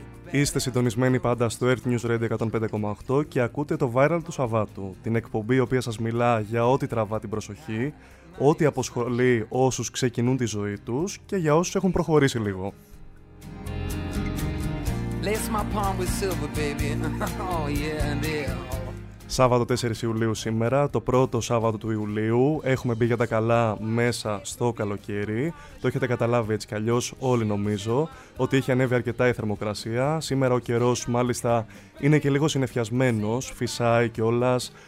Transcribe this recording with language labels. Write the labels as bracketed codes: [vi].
[el] Είστε συντονισμένοι πάντα στο Earth News Radio 105,8 και ακούτε το Viral του Σαββάτου, την εκπομπή η οποία σας μιλά για ό,τι τραβά την προσοχή, ό,τι απασχολεί όσους ξεκινούν τη ζωή τους και για όσους έχουν προχωρήσει λίγο. [en] Lace my palm with silver, baby. Oh, yeah, and [el] Σάββατο 4 Ιουλίου σήμερα, το πρώτο Σάββατο του Ιουλίου. Έχουμε μπει για τα καλά μέσα στο καλοκαίρι. Το έχετε καταλάβει έτσι κι αλλιώς όλοι νομίζω ότι έχει ανέβει αρκετά η θερμοκρασία. Σήμερα ο καιρός μάλιστα είναι και λίγο συννεφιασμένος, φυσάει κιόλας.